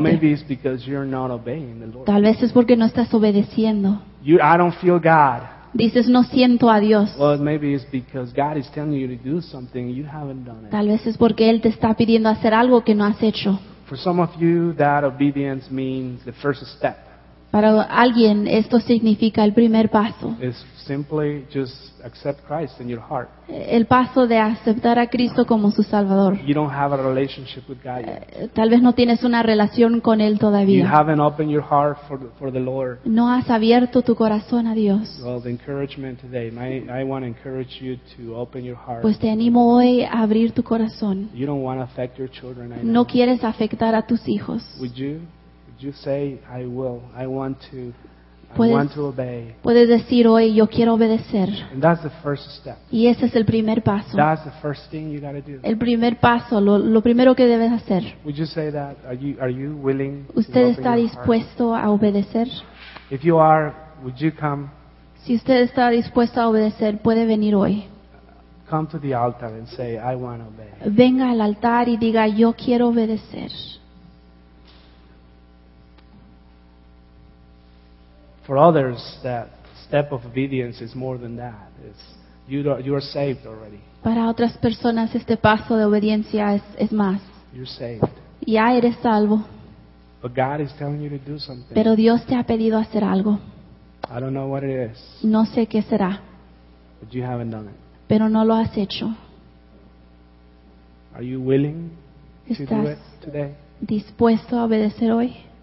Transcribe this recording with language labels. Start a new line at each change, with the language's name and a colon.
English: Well, maybe it's because you're not obeying the Lord.
Spanish: Tal vez es porque no estás obedeciendo.
English: I don't feel God.
Spanish: Dices, no siento a Dios.
English: Well, maybe it's because God is telling you to do something and you haven't done it.
Spanish: Tal vez es porque Él te está pidiendo hacer algo que no has hecho.
English: For some of you, that obedience means the first step.
Spanish: Para alguien, esto significa el primer paso.
English: It's simply just accept Christ in your heart.
Spanish: El paso de aceptar a Cristo como su Salvador.
English: You don't have a relationship with God yet.
Spanish: Tal vez no tienes una relación con Él todavía.
English: You haven't opened your heart for the Lord.
Spanish: No has abierto tu corazón a Dios.
English: Well, the encouragement today, I want to encourage you to open your heart.
Spanish: Pues te animo hoy a abrir tu corazón.
English: You don't want to affect your children. I know.
Spanish: No quieres afectar a tus hijos.
English: Would you say, I will, I want to obey.
Spanish: Puedes decir hoy, yo quiero obedecer.
English: And that's the first step.
Spanish: Y ese es el primer paso.
English: That's the first thing you gotta do.
Spanish: El primer paso, lo primero que debes hacer.
English: Would you say that? Are you willing to obey?
Spanish: ¿Usted está dispuesto a obedecer?
English: If you are, would you come?
Spanish: Si usted está dispuesto a obedecer, puede venir hoy.
English: Come to the altar and say, I want to obey.
Spanish: Venga al altar y diga, yo quiero obedecer.
English: For others, that step of obedience is more than that. You are saved already.
Spanish: Para otras personas, este paso de obediencia es más.
English: You're saved.
Spanish: Ya eres salvo.
English: But God is telling you to do something.
Spanish: Pero Dios te ha pedido hacer algo.
English: I don't know what it is.
Spanish: No sé qué será.
English: But you haven't done it.
Spanish: Pero no lo has hecho.
English: Are you willing to do it today?
Spanish: ¿Estás dispuesto a obedecer hoy?